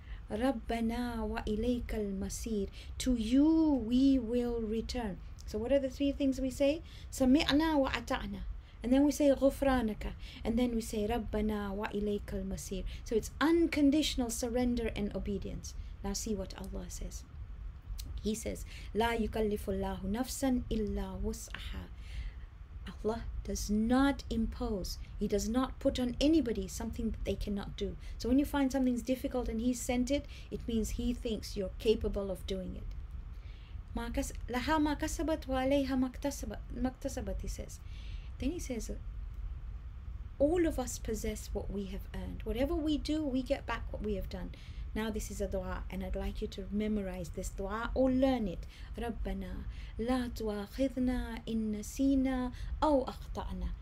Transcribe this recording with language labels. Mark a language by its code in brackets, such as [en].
[ar] ربنا وإليك المصير, [en] to you we will return. So what are the three things we say? [ar] سمعنا وأطعنا. [en] And then we say [ar] غفرانك. [en] And then we say [ar] ربنا وإليك المصير. [en] So it's unconditional surrender and obedience. Now see what Allah says. He says [ar] لا يكلف الله نفسا إلا وسعها. [en] Allah does not impose, He does not put on anybody something that they cannot do. So when you find something's difficult and He sent it, it means He thinks you're capable of doing it. [ar] لها ما كسبت وعليها ما اكتسبت, [en] He says. Then He says, all of us possess what we have earned. Whatever we do, we get back what we have done. Now this is a dua, and I'd like you to memorize this dua or learn it. [ar] رَبَّنَا لَا تُوَاخِذْنَا إِن نَسِينَا أَوْ أَخْطَعْنَا.